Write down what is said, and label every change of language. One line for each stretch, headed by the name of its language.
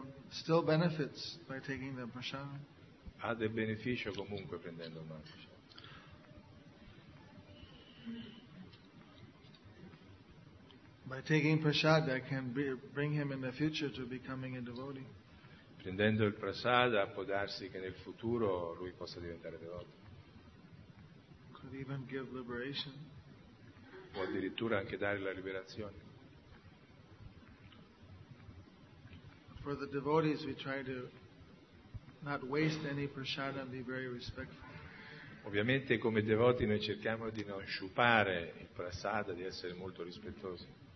English: Still benefits by taking the prasada.
Italian: Ha del beneficio comunque prendendo il Mahaprasada.
English: By taking prasada, I can bring him in the future to becoming a devotee.
Italian: Prendendo il prasada può darsi che nel futuro lui possa diventare devoto.
English: Could even give liberation.
Italian: Può addirittura anche dare la liberazione.
English: For the devotees we try to not waste any prasada and be very respectful.
Italian: Ovviamente come devoti noi cerchiamo di non sciupare il prasada, di essere molto rispettosi.